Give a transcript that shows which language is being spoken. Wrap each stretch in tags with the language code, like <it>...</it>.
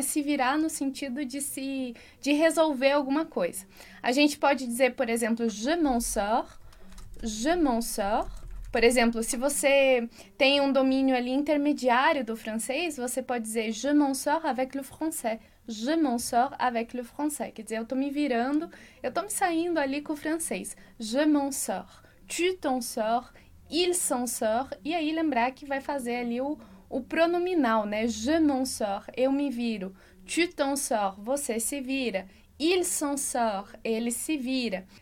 <pt>Se virar no sentido de resolver alguma coisa. A gente pode dizer, por exemplo,</pt> <fr>je m'en sors, je m'en sors.</fr> <pt>Por exemplo, se você tem um domínio ali intermediário do francês, você pode dizer</pt> <fr>je m'en sors avec le français. Je m'en sors avec le français.</fr> <pt>Quer dizer, eu tô me virando, eu tô me saindo ali com o francês.</pt> <fr>Je m'en sors. Tu t'en sors. Il s'en sort.</fr> <pt>E aí lembrar que vai fazer ali o pronominal, né?</pt> <fr>Je m'en sors.</fr> <pt>Eu me viro.</pt> <fr>Tu t'en sors.</fr> <pt>Você se vira.</pt> <fr>Il s'en sort.</fr> <pt>Ele se vira.</pt>